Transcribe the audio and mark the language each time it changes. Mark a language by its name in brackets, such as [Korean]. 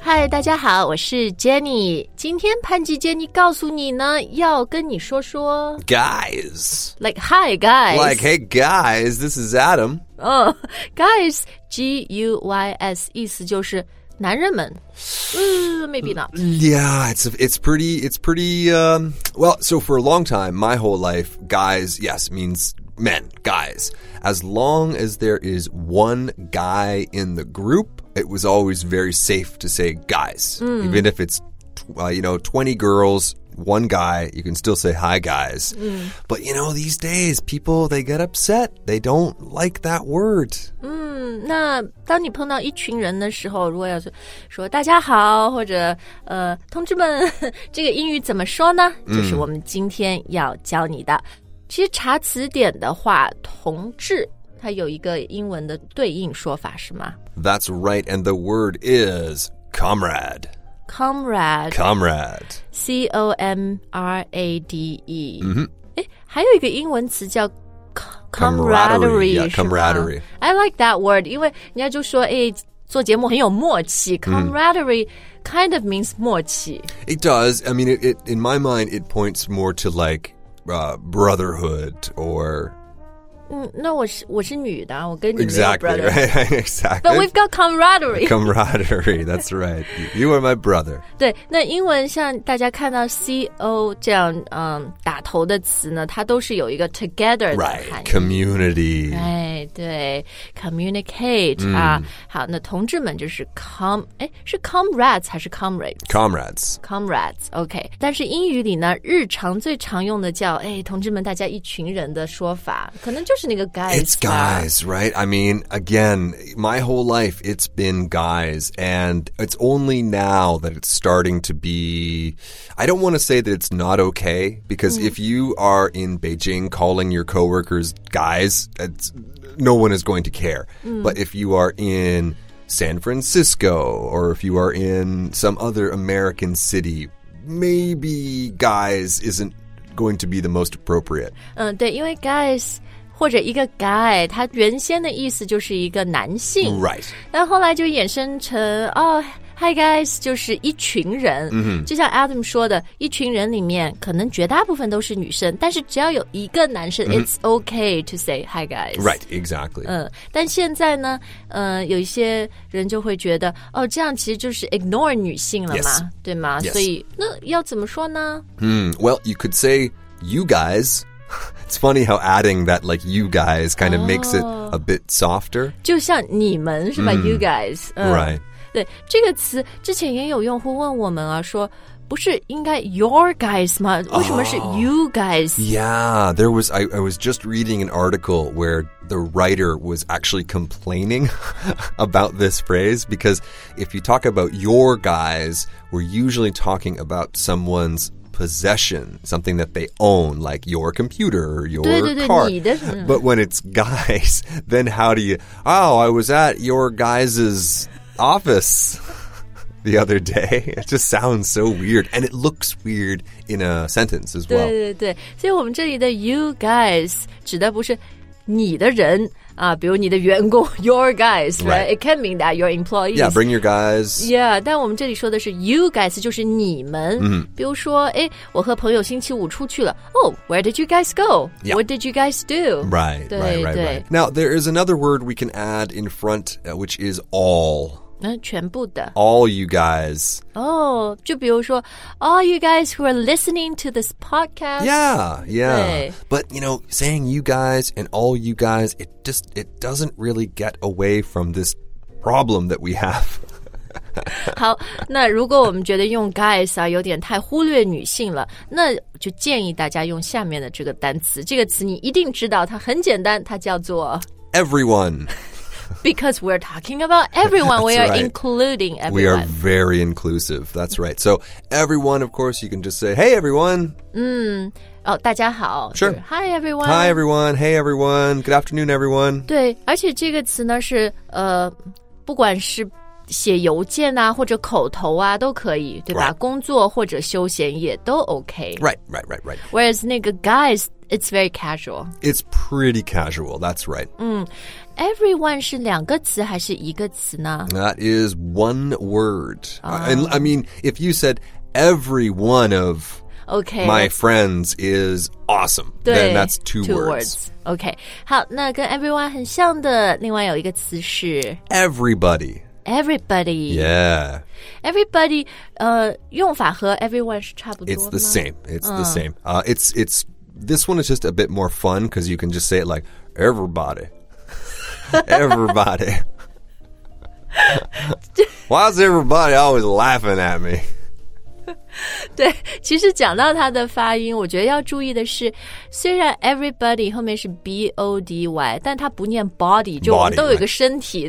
[Chinese] 大家好，我是 Jenny。今天潘吉 Jenny 告诉你呢，要跟你说说 [English] Guys Like hi guys Like hey guys, this is Adam、 Guys, G-U-Y-S [Chinese] 意思就是男人们、 [English] Maybe not. Yeah, it's pretty, well, so for a long time, my whole life, guys, yes, means men, guys. As long as there is one guy in the group, it was always very safe to say guys.、 Mm. Even if it's,、you know, 20 girls, one guy, you can still say hi, guys.、 Mm. But, you know, these days, people, they get upset. They don't like that word. Mm. [Chinese] 那当你碰到一群人的时候，如果要是说大家好，或者同志们，这个英语怎么说呢？就是我们今天要教你的。其实查词典的话，同志它有一个英文的对应说法，是吗？ [English] That's right, and the word is comrade. Comrade. Comrade. C-O-M-R-A-D-E.、 Mm-hmm. [Chinese] 还有一个英文词叫Camaraderie. [English] Yeah, I like that word. [Chinese] 因为人家就说、哎、做节目很有默契 Camaraderie、 [English] mm. kind of means 默契 It does. I mean, it, in my mind, it points more to like、brotherhood or...、 [Chinese] 那我是女的我跟女的 [English] Exactly, right? Exactly. But we've got camaraderie. Camaraderie, that's right. You are my brother. [Chinese] 对那英文像大家看到 CO 这样、打头的词呢它都是有一个 together 的含义 [English] Right, community. Right, [Chinese] 对 [English] communicate.、 Mm. [Chinese] 啊、好那同志们就是 是 [English] comrades 还是 comrades? Comrades. Comrades, OK. [Chinese] 但是英语里呢日常最常用的叫、哎、同志们大家一群人的说法可能就是那个 guys. [English] It's guys, right? I mean, again, my whole life, it's been guys. And it's only now that it's starting to be... I don't want to say that it's not okay. Because、mm. if you are in Beijing calling your coworkers guys, no one is going to care.、 Mm. But if you are in San Francisco or if you are in some other American city, maybe guys isn't going to be the most appropriate.、 [Chinese] 对因为 guys... 或者一个 guy, 他原先的意思就是一个男性。 [English] Right. [Chinese] 但后来就衍生成哦、 [English] oh, hi guys, [Chinese] 就是一群人。 Mm-hmm. 就像 Adam 说的一群人里面可能绝大部分都是女生但是只要有一个男生、 [English] mm-hmm. it's okay to say hi guys. Right, exactly.、 [Chinese] 但现在呢、有一些人就会觉得哦、 [English] oh, [Chinese] 这样其实就是 ignore 女性了嘛、 [English] yes. [Chinese] 对吗、 [English] yes. [Chinese] 所以那要怎么说呢、 [English] mm, well, you could say you guys,It's funny how adding that, like, you guys kind of、oh, makes it a bit softer. [Chinese] 就像你们是吧、 [English] mm, you guys.、 Right. [Chinese] 对这个词之前也有用户问我们啊说不是应该 your guys 吗为什么是 you guys?、 [English] Oh, yeah, there was, I was just reading an article where the writer was actually complaining about this phrase because if you talk about your guys, we're usually talking about someone's,possession, something that they own, like your computer or your [Chinese] 对对对 [English] car. [Chinese] 你的, [English] But when it's guys, then how do you, oh, I was at your guys' office the other day. It just sounds so weird. And it looks weird in a sentence as well. [Chinese] 对对对。所以我们这里的 you guys 指的不是你的人。比如你的员工 your guys, right? [English] right? It can mean that your employees. Yeah, bring your guys. Yeah, [Chinese] 但我们这里说的是 you guys, 就是你们。 Mm-hmm. 比如说哎我和朋友星期五出去了。 [English] Oh, where did you guys go? Yeah. What did you guys do? Right. Now, there is another word we can add in front, which is all. [Chinese] 全部的 [English] All you guys. Oh, [Chinese] 就比如说 [English] all you guys who are listening to this podcast. Yeah, yeah. But, you know, saying you guys and all you guys, it just, it doesn't really get away from this problem that we have. [Chinese] 好那如果我们觉得用 guys 啊有点太忽略女性了那就建议大家用下面的这个单词这个词你一定知道它很简单它叫做 [English] Everyone. Because we're talking about everyone, we are、 right. including everyone. We are very inclusive, that's right. So everyone, of course, you can just say, hey everyone. [Chinese] 哦，大家好。 [English] Sure. sure. Hi everyone. Hi everyone, hey everyone, good afternoon everyone. [Chinese] 对，而且这个词呢是、不管是写邮件啊或者口头啊都可以，对吧？ [English] Right. [Chinese] 工作或者休闲也都 OK. [English] Right, right, right, right. Whereas [Chinese] 那个 [English] guys it's very casual. It's pretty casual, that's right. [Chinese] Everyone 是两个词还是一个词呢? [English] That is one word. I mean, if you said every one of okay, my friends is awesome, then that's two words. Okay, [Chinese] 好，那跟 everyone 很像的另外有一个词是 [English] everybody. Everybody. Yeah. [Chinese] Everybody, 用法和 everyone 是差不多吗? [English] It's the same. It's the same. It's, this one is just a bit more fun because you can just say it like, everybody. Everybody. Why is everybody always laughing at me? [Chinese] 对，其实讲到它的发音，我觉得要注意的是，虽然 everybody 后面是 body， 但它不念 body， 就我们都有一个身体，